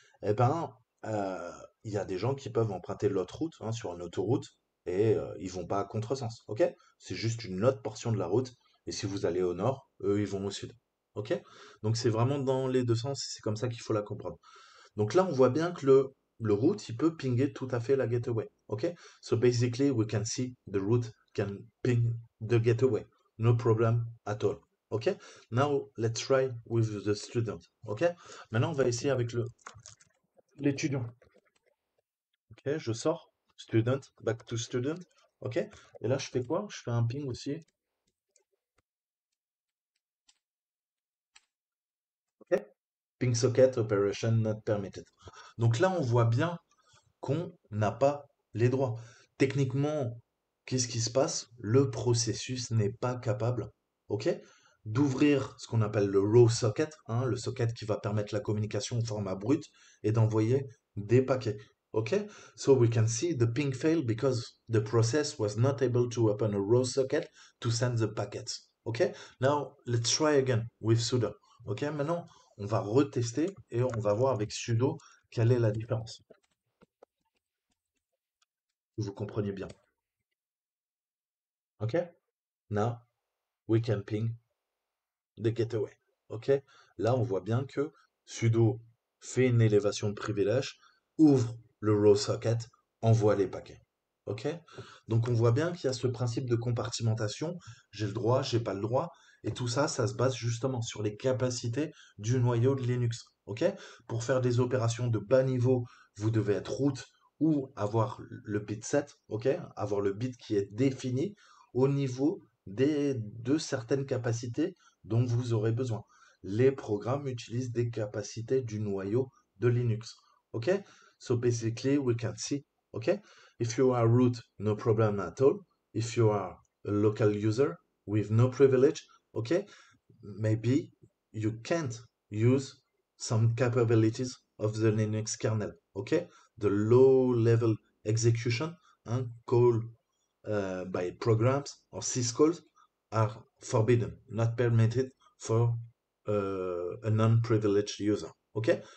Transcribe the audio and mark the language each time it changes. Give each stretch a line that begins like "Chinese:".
French: Eh bien, il y a des gens qui peuvent emprunter l'autre route, hein, sur une autoroute. Et ils vont pas à contresens, ok? C'est juste une autre portion de la route. Et si vous allez au nord, eux, ils vont au sud, ok? Donc c'est vraiment dans les deux sens, c'est comme ça qu'il faut la comprendre. Donc là, on voit bien que le route, il peut pinger tout à fait la gateway, ok?
English: So basically, we can see the route can ping the gateway. No problem at all, ok? Now, let's try with the student, ok?
French: Maintenant, on va essayer avec l'étudiant. Ok, je sors.
English: Student, back to student, ok?
French: Et là, je fais quoi? Je fais un ping aussi.
English: Ping socket operation not permitted.
French: Donc là, on voit bien qu'on n'a pas les droits. Techniquement, qu'est-ce qui se passe? Le processus n'est pas capable, ok? D'ouvrir ce qu'on appelle le raw socket, hein, le socket qui va permettre la communication au format brut et d'envoyer des paquets.
English: OK, so we can see the ping failed because the process was not able to open a raw socket to send the packets. OK, now let's try again with sudo.
French: OK, maintenant on va retester et on va voir avec sudo quelle est la différence. Vous comprenez bien.
English: OK, now we can ping the gateway.
French: OK, là on voit bien que sudo fait une élévation de privilège, ouvre le raw socket envoie les paquets. OK? Donc on voit bien qu'il y a ce principe de compartimentation, j'ai le droit, j'ai pas le droit, et tout ça, ça se base justement sur les capacités du noyau de Linux. OK? Pour faire des opérations de bas niveau, vous devez être root ou avoir le bit set, OK? Avoir le bit qui est défini au niveau de certaines capacités dont vous aurez besoin. Les programmes utilisent des capacités du noyau de Linux.
English: OK? So basically, we can see, okay, if you are root, no problem at all. If you are a local user with no privilege, okay, maybe you can't use some capabilities of the Linux kernel, okay, the low level execution, and call by programs or syscalls are forbidden, not permitted for a non-privileged user, okay.